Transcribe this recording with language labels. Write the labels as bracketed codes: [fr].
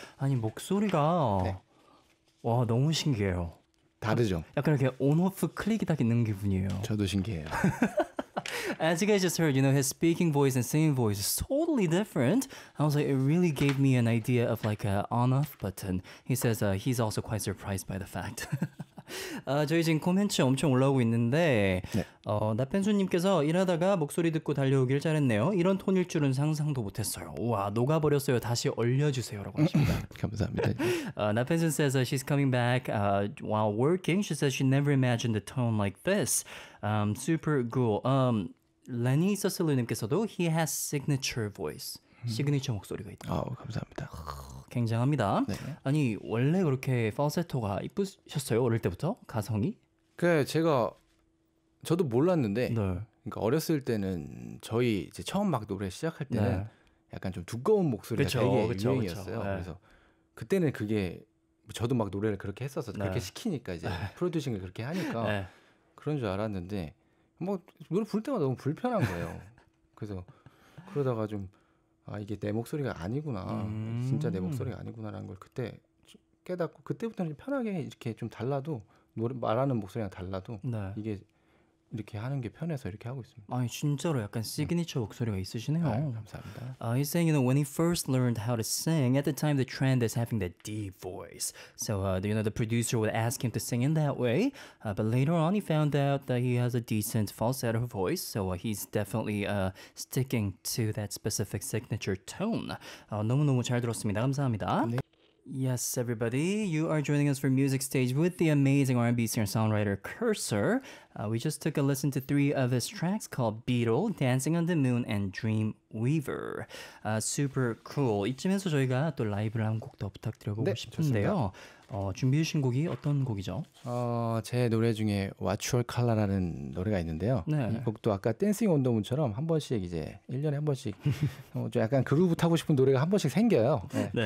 [ko] 아니 목소리가 네. 와 너무 신기해요. 다르죠. 약간 이렇게 온오프 클릭이 딱 있는 기분이에요. 저도 신기해요. [en] As you guys just heard, you know, his speaking voice and singing voice is totally different. I was like, it really gave me an idea of like an on-off button. He says he's also quite surprised by the fact. [ko] 저희 지금 코멘트 엄청 올라오고 있는데 네. 나펜수님께서 일하다가 목소리 듣고 달려오길 잘했네요. 이런 톤일 줄은 상상도 못했어요. 우와 녹아버렸어요. 다시 얼려주세요 라고 하십니다. 감사합니다. [en] 나펜수 says she's coming back while working. She says she never imagined a tone like this. Super cool. [ko] 레니 서슬루님께서도 [en] he has signature voice. [ko] 시그니처 목소리가 있다. 아우 감사합니다. 굉장합니다. 네. 아니 원래 그렇게 팔세토가 이쁘셨어요? 어릴 때부터 가성이? 그 제가 저도 몰랐는데. 네. 그러니까 어렸을 때는 저희 이제 처음 막 노래 시작할 때는 네. 약간 좀 두꺼운 목소리가 그쵸, 되게 유행이었어요. 네. 그래서 그때는 그게 저도 막 노래를 그렇게 했어서 네. 그렇게 시키니까 이제 프로듀싱을 그렇게 하니까 네. 그런 줄 알았는데 뭐 노래 부를 때마다 너무 불편한 거예요. 그래서 그러다가 좀 아 이게 내 목소리가 아니구나 진짜 내 목소리가 아니구나라는 걸 그때 깨닫고 그때부터는 편하게 이렇게 좀 달라도 노래 말하는 목소리랑 달라도 네. 이게 이렇게 하는 게 편해서 이렇게 하고 있습니다. 아니 진짜로 약간 시그니처 목소리가 있으시네요. 아, 감사합니다. [en] He's saying, you know, when he first learned how to sing, at the time the trend is having that deep voice. So, you know, the producer would ask him to sing in that way. But later on, he found out that he has a decent falsetto voice. So he's definitely sticking to that specific signature tone. [ko] 너무너무 잘 들었습니다. 감사합니다. 네. [en] Yes, everybody. You are joining us for Music Stage with the amazing R&B singer-songwriter Cursor. We just took a listen to three of his tracks called Beetle, Dancing on the Moon, and Dreamweaver. Super cool. [ko] 이쯤에서 저희가 또 라이브를 한 곡 더 부탁드려보고 네, 싶은데요. 준비해 주신 곡이 어떤 곡이죠? 제 노래 중에 What Your Color라는 노래가 있는데요. 네. 이 곡도 아까 Dancing on the Moon처럼 한 번씩 이제 1년에 한 번씩 좀 약간 그루브 타고 싶은 노래가 한 번씩 생겨요. 네. 네.